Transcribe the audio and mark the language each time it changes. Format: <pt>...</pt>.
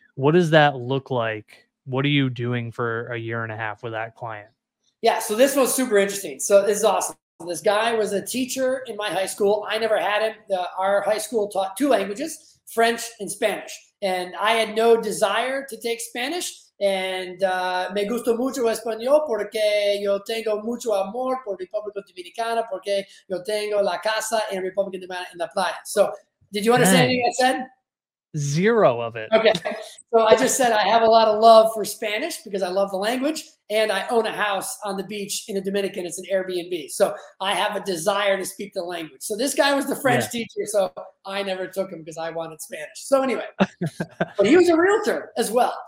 <en>What does that look like? What are you doing for a year and a half with that client? Yeah. So this was super interesting. So this is awesome. This guy was a teacher in my high school. I never had him. Our high school taught two languages, French and Spanish. And I had no desire to take Spanish.</en> <es>And me gusto mucho español porque yo tengo mucho amor por República Dominicana porque yo tengo la casa en República Dominicana en la playa.</es> <en>So did you understand anything I said? Zero of it. Okay. So I just said I have a lot of love for Spanish because I love the language and I own a house on the beach in the Dominican. It's an Airbnb. So I have a desire to speak the language. So this guy was the French teacher. So I never took him because I wanted Spanish. So anyway, but he was a realtor as well.</en>